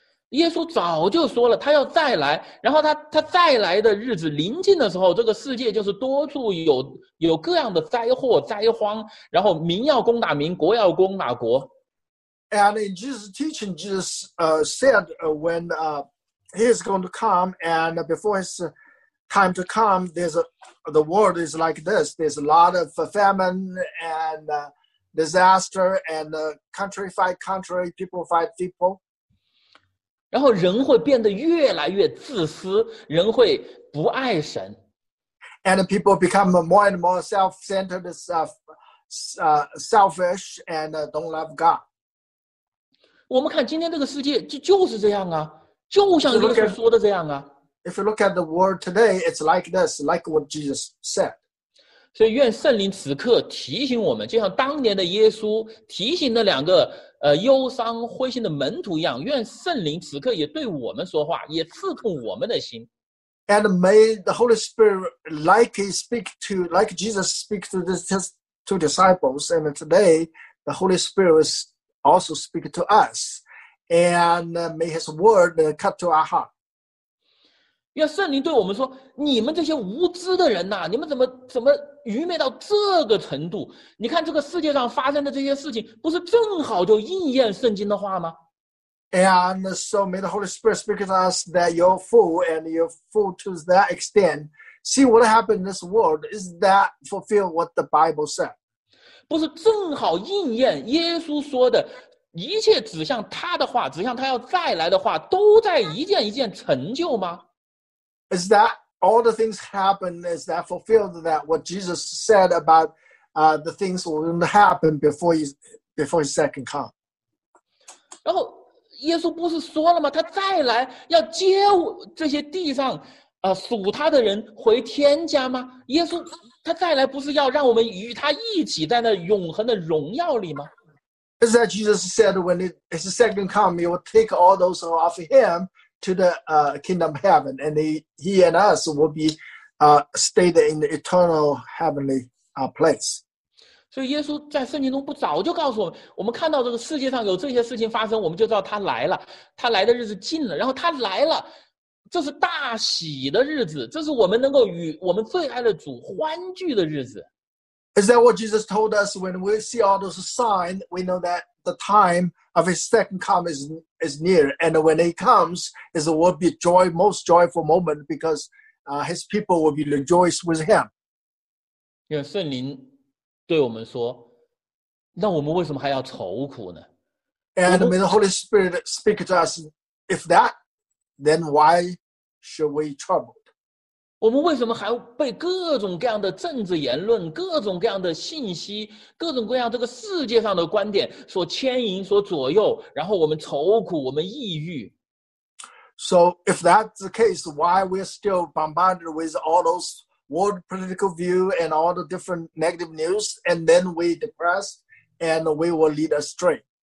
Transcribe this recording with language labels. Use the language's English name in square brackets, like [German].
[Chinese] 耶稣早就说了，他要再来，然后他再来的日子临近的时候，这个世界就是多处有各样的灾祸灾荒，然后民要攻打民，国要攻打国。 [English] And in Jesus' teaching, Jesus said when he is going to come, and before his time to come, the world is like this. There's a lot of famine and disaster, and country fight country, people fight people. [Chinese] 然后人会变得越来越自私，人会不爱神。 [English] And people become more and more self-centered, selfish and don't love God. [Chinese] 我们看今天这个世界就是这样啊，就像耶稣说的这样啊。 [English] If you look at the world today, it's like this, like what Jesus said. [Chinese] 所以愿圣灵此刻提醒我们，就像当年的耶稣提醒那两个忧伤灰心的门徒一样，愿圣灵此刻也对我们说话，也刺痛我们的心。 [English] And may the Holy Spirit like he speak to, like Jesus speak to the two disciples, and today the Holy Spirit is also speak to us. And may his word cut to our heart. [Chinese] 愿圣灵对我们说，你们这些无知的人啊，你们怎么愚昧到这个程度？你看这个世界上发生的这些事情，不是正好就应验圣经的话吗？ [English] And so may the Holy Spirit speak to us that you're full and you're full to that extent. See what happened in this world. Is that fulfill what the Bible said? [Chinese] 不是正好应验耶稣说的一切指向他的话，指向他要再来的话，都在一件一件成就吗？ [English] Is that all the things happen? Is that fulfilled that what Jesus said about the things will happen before his second come? [Chinese] 然后耶稣不是说了吗？他再来要接这些地上属他的人回天家吗？耶稣他再来不是要让我们与他一起在那永恒的荣耀里吗？ [English] Is that Jesus said when his second come, he will take all those of him to the kingdom heaven, and he and us will be stayed in the eternal heavenly place. [Chinese] 所以耶稣在圣经中不早就告诉我们，我们看到这个世界上有这些事情发生，我们就知道他来了，他来的日子近了，然后他来了。这是大喜的日子，这是我们能够与我们最爱的主欢聚的日子。 [English] Is that what Jesus told us when we see all those signs, we know that the time of his second coming is near, and when he comes, it will be joy, most joyful moment because his people will be rejoiced with him. [Chinese] 因为圣灵对我们说，那我们为什么还要愁苦呢？ [English] And may the Holy Spirit speak to us, if thatThen why should we troubled? [Chinese] 我们为什么还被各种各样的政治言论、各种各样的信息、各种各样这个世界上的观点所牵引、所左右？然后我们愁苦，我们抑郁。 [English] So if that's the case, why we're still bombarded with all those world political view and all the different negative news, and then we depressed and we will lead astray?